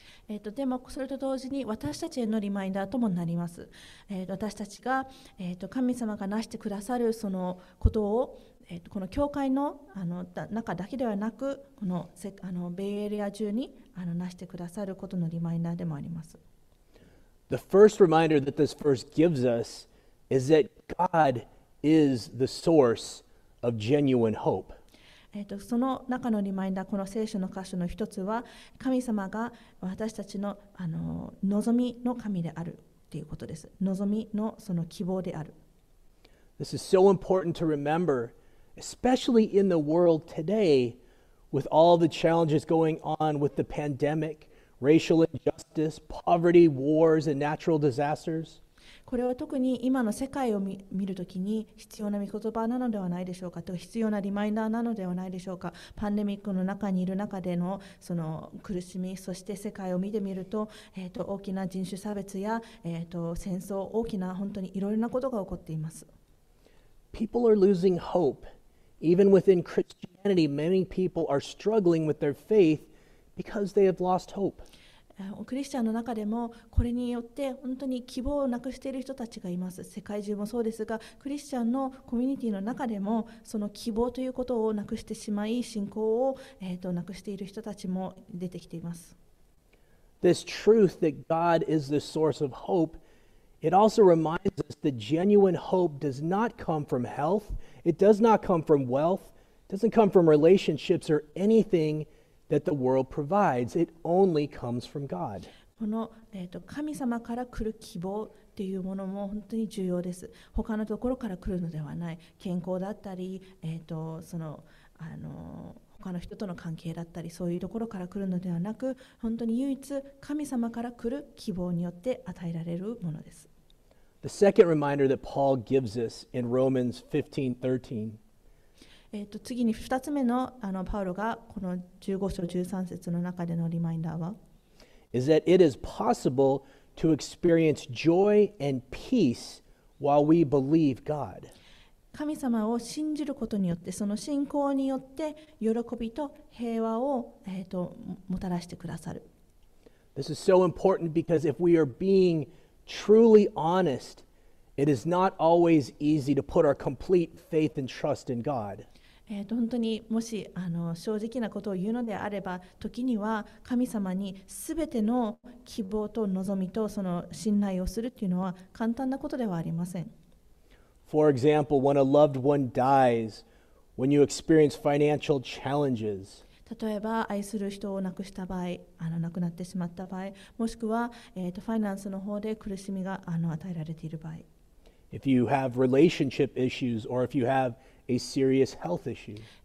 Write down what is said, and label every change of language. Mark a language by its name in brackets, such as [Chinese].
[Japanese] でもそれと同時に私たちへのリマインダーともなります。私たちが、神様がなしてくださるそのことを、この教会の、中だけではなく、この、ベイエリア中に、なしてくださることのリマインダーでもあります。 [English] The first reminder that this verse gives us is that God is the source of genuine hope. [Japanese] その中のリマインダー、この聖書の箇所の一つは、神様が私たち の望みの神であるということです。望みのその希望である。 [English] This is so important to remember, especially in the world today, with all the challenges going on with the pandemic. Racial injustice, poverty, wars, and natural disasters. [Japanese] これは特に今の世界を見るときに必要な御言葉なのではないでしょうか、と必要なリマインダーなのではないでしょうか。パンデミックの中にいる中でのその苦しみ、そして世界を見てみると、大きな人種差別や、戦争、大きな本当にいろいろなことが起こっています。 [English] People are losing hope. Even within Christianity, many people are struggling with their faith. Because they have lost hope. [Japanese] クリスチャンの中でもこれによって本当に希望をなくしている人たちがいます。世界中もそうですが、クリスチャンのコミュニティの中でもその希望ということをなくしてしまい、信仰を、なくしている人たちも出てきています。 [English] This truth that God is the source of hope, it also reminds us that genuine hope does not come from health, it does not come from wealth, it doesn't come from relationships or anything. That the world provides, it only comes from God. [Japanese] この、神様から来る希望っていうものも本当に重要です。他のところから来るのではない。健康だったり、他の人との関係だったり、そういうところから来るのではなく、本当に唯一神様から来る希望によって与えられるものです。 [English] The second reminder that Paul gives us in Romans 15:13. [Japanese] 次に2つ目 の, パウロがこの15章13節の中でのリマインダーは [English] Is that it is possible to experience joy and peace while we believe God. [Japanese] 神様を信じることによって、その信仰によって喜びと平和を、もたらしてくださる。 [English] This is so important because if we are being truly honest, it is not always easy to put our complete faith and trust in God. [Japanese] 本当にもし正直なことを言うのであれば、時には神様にすべての希望と望みとその信頼をするというのは簡単なことではありません。 [English] For example, when a loved one dies, when you experience financial challenges, [Japanese] 例えば愛する人を亡くした場合、亡くなってしまった場合、もしくは、ファイナンスの方で苦しみが与えられている場合。 [English] If you have relationship issues or if you haveA serious health issue.